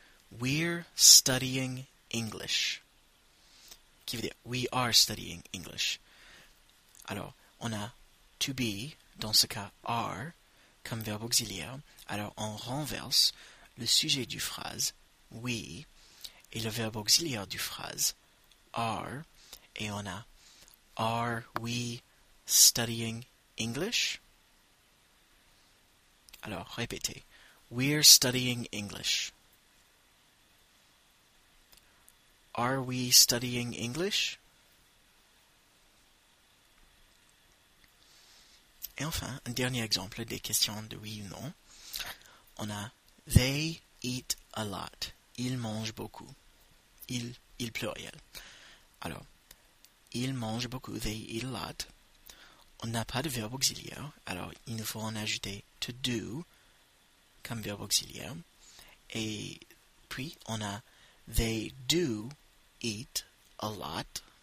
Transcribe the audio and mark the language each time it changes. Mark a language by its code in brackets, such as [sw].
[en] We're studying English. [fr] Qui veut dire [en] we are studying English. [fr] Alors, on a to be, dans ce cas are, comme verbe auxiliaire. Alors, on renverse le sujet du phrase we et le verbe auxiliaire du phrase are. Et on a [en] are we studying English? [fr] Alors, répétez. [en] We're studying English. Are we studying English? [fr] Et enfin, un dernier exemple des questions de oui ou non. On a [en] they eat a lot. [fr] Ils mangent beaucoup. Il pluriel. Alors, ils mangent beaucoup. [en] They eat a lot. [fr] On n'a pas de verbe auxiliaire. Alors, il nous faut en ajouter to do comme verbe auxiliaire. Et puis, on a [en] they do eat a lot.